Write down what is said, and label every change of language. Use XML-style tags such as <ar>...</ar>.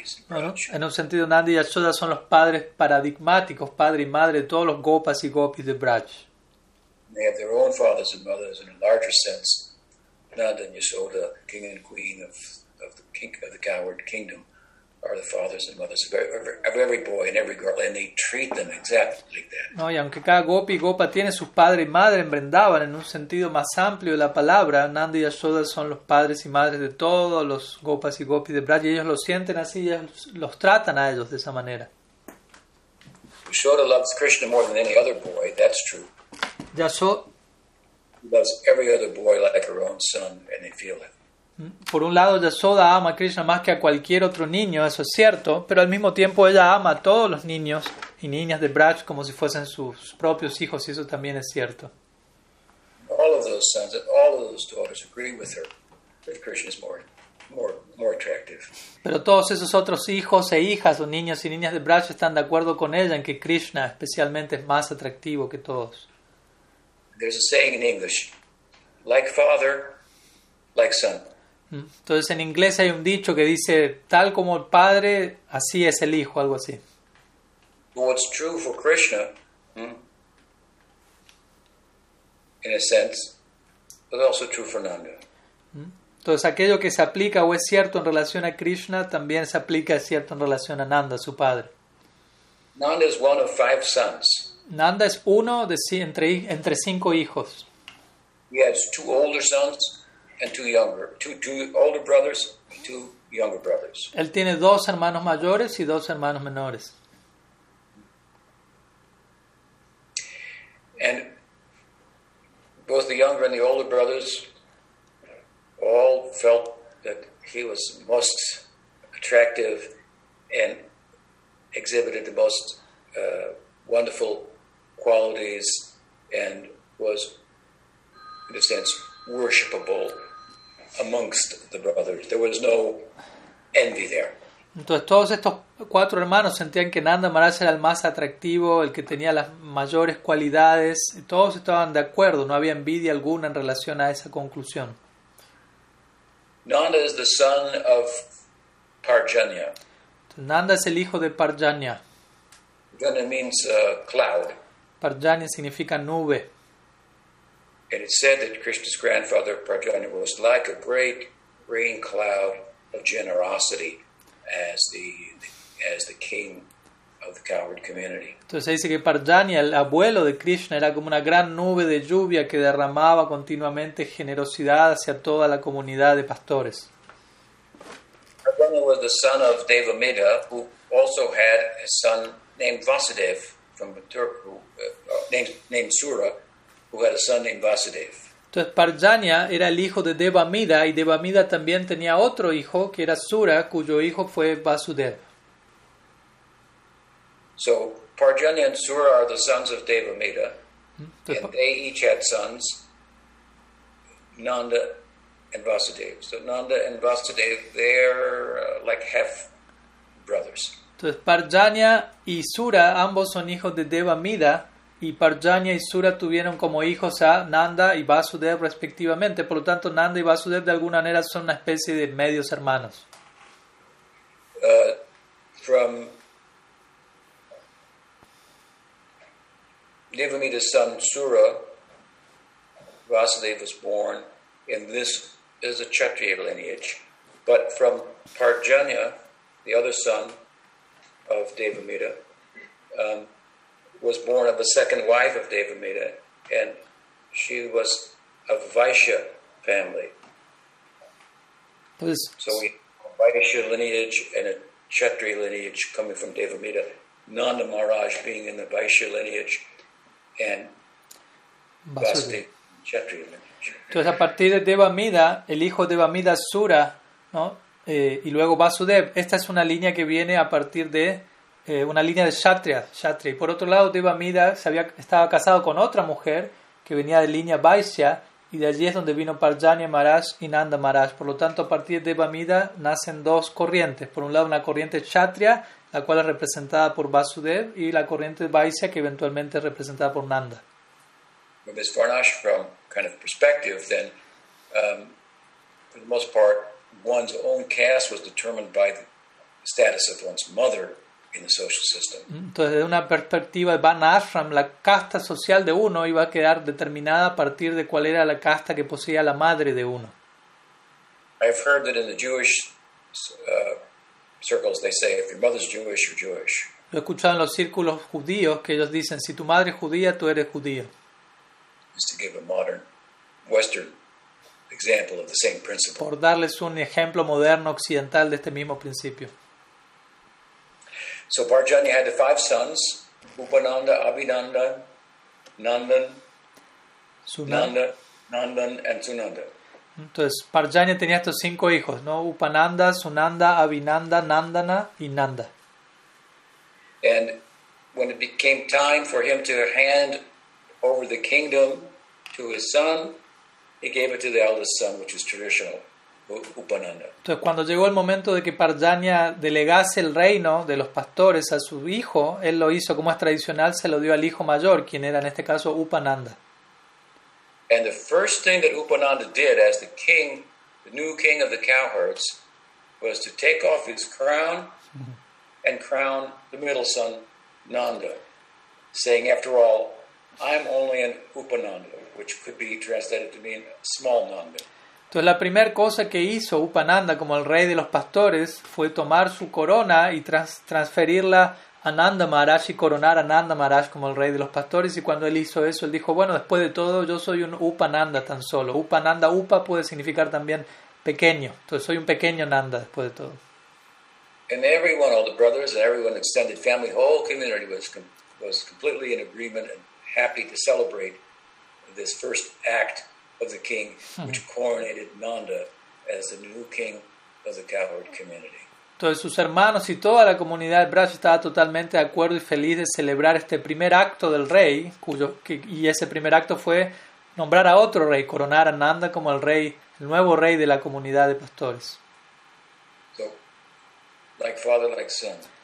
<es>Bueno, en un sentido, Nanda y Yashoda son los padres paradigmáticos, padre y madre de todos los gopas y gopis de Braj.</es> <en>They have their own fathers and mothers in a larger sense. Nanda and Yashoda, king and queen of the coward kingdom, are the fathers and mothers of every boy and every girl, and they treat them exactly like that.</en> <es>No, y aunque cada gopi y gopa tiene sus padres y madres en Vrindavan, en un sentido más amplio de la palabra, Nanda y Yashoda son los padres y madres de todos los gopas y gopis de Braj, y ellos lo sienten así, y los tratan a ellos de esa manera.</es> <en>Yashoda loves Krishna more than any other boy, that's true. Yashoda loves every other boy like her own son, and they feel it.</en> <es>Por un lado, Yashoda ama a Krishna más que a cualquier otro niño, eso es cierto, pero al mismo tiempo ella ama a todos los niños y niñas de Braj como si fuesen sus propios hijos, y eso también es cierto.</es> <en>All of those sons and all of those daughters agree with her that Krishna is more attractive.</en> <es>Pero todos esos otros hijos e hijas o niños y niñas de Braj están de acuerdo con ella en que Krishna especialmente es más atractivo que todos.</es> <en>There's a saying in English, like father, like son.</en> <es>Entonces en inglés hay un dicho que dice tal como el padre, así es el hijo, algo así.</es> <en>What's true for Krishna, in a sense, but also true for Nanda.</en> <es>Entonces aquello que se aplica o es cierto en relación a Krishna también se aplica es cierto en relación a Nanda, su padre.</es> <en>Nanda is one of five sons.</en> <es>Nanda es uno de entre cinco hijos.</es> <en>He has two older sons. And two older brothers and two younger brothers.</en> <es>Él tiene dos hermanos mayores y dos hermanos menores.</es> <en>And both the younger and the older brothers all felt that he was most attractive and exhibited the most wonderful qualities and was, in a sense, worshipable. Amongst the brothers, there was no envy there.</en> <es>Entonces todos estos cuatro hermanos sentían que Nanda Maharaj era el más atractivo, el que tenía las mayores cualidades. Todos estaban de acuerdo, no había envidia alguna en relación a esa conclusión.</es> <en>Nanda is the son of Parjanya.</en> <es>Nanda es el hijo de Parjanya.</es> <en>Parjanya means cloud.</en> <es>Parjanya significa nube.</es> <en>And it's said that Krishna's grandfather Parjanya was like a great rain cloud of generosity as the king of the coward community.</en> <es>Entonces se dice que Parjanya, el abuelo de Krishna, era como una gran nube de lluvia que derramaba continuamente generosidad hacia toda la comunidad de pastores.</es> <en>Parjanya was the son of Devamida, who also had a son named Vasudev from Mathura, named Sura. Who had a son named Vasudev.</en> <es>Entonces Parjanya era el hijo de Devamida y Devamida también tenía otro hijo que era Sura, cuyo hijo fue Vasudev.</es> <en>So Parjanya and Sura are the sons of Devamida. Entonces, and they each had sons, Nanda and Vasudeva. So Nanda and Vasudeva, they're like half brothers.</en> <es>Entonces Parjanya y Sura, ambos son hijos de Devamida, y Parjanya y Sura tuvieron como hijos a Nanda y Vasudev respectivamente. Por lo tanto, Nanda y Vasudev de alguna manera son una especie de medios hermanos.</es> <en>From Devamida's son Sura, Vasudev was born, and this is a Kshatriya lineage. But from Parjanya, the other son of Devamida, was born of the second wife of Devamida, and she was a Vaishya family. Please. So we have a Vaishya lineage and a Kshatriya lineage coming from Devamida, Nanda Maharaj being in the Vaishya lineage, and Vasudev, Kshatriya lineage.</en> <es>Entonces, a partir de Devamida, el hijo de Devamida, Sura, ¿no? Y luego Vasudev, esta es una línea que viene a partir de una línea de Kshatriya. Y por otro lado, Devamida estaba casado con otra mujer que venía de línea Vaishya, y de allí es donde vino Parjanya Maharaj y Nanda Maharaj. Por lo tanto, a partir de Devamida nacen dos corrientes. Por un lado, una corriente Kshatriya, la cual es representada por Vasudev, y la corriente Vaishya, que eventualmente es representada por Nanda.</es> <en>From this Varnash, from kind of perspective, then, for the most part, one's own caste was determined by the status of one's mother in the social system.</en> <es>Entonces, desde una perspectiva de Varnashram, la casta social de uno iba a quedar determinada a partir de cuál era la casta que poseía la madre de uno.</es> <en>I've heard that in the Jewish circles they say, if your mother's Jewish, you're Jewish.</en> <es>Lo he escuchado en los círculos judíos que ellos dicen, si tu madre es judía, tú eres judío.</es> <en>Just to give a modern Western example of the same principle.</en> <es>Por darles un ejemplo moderno occidental de este mismo principio.</es> <en>So Parjanya had the five sons, Upananda, Abhinanda, Nandan, Sunanda, Nandan, and Sunanda.</en> <es>Entonces, Parjanya tenía estos cinco hijos, ¿no? Upananda, Sunanda, Abhinanda, Nandana, y Nanda.</es> <en>And when it became time for him to hand over the kingdom to his son, he gave it to the eldest son, which is traditional.</en> <es>Entonces, cuando llegó el momento de que Parjanya delegase el reino de los pastores a su hijo, él lo hizo como es tradicional, se lo dio al hijo mayor, quien era en este caso Upananda. And the first thing that Upananda did as the king, the new king of the cowherds, was to take off his crown and crown the middle son Nanda, saying, after all, I'm only an Upananda, which could be translated to mean small Nanda. Entonces la primera cosa que hizo Upananda como el rey de los pastores fue tomar su corona y transferirla a Nanda Maharaj y coronar a Nanda Maharaj como el rey de los pastores. Y cuando él hizo eso, él dijo, bueno, después de todo, yo soy un Upananda tan solo. Upananda, Upa puede significar también pequeño. Entonces soy un pequeño Nanda después de todo.</es> <en>And everyone, all the brothers, and everyone, extended family, whole community was completely in agreement and happy to celebrate this first act of the king, which coronated Nanda as the new king of the cowherd community.</en> <es>Entonces sus hermanos y toda la comunidad de Braj estaba totalmente de acuerdo y feliz de celebrar este primer acto del rey, y ese primer acto fue nombrar a otro rey, coronar a Nanda como el rey, el nuevo rey de la comunidad de pastores.</es> <en>So, like father, like son.</en>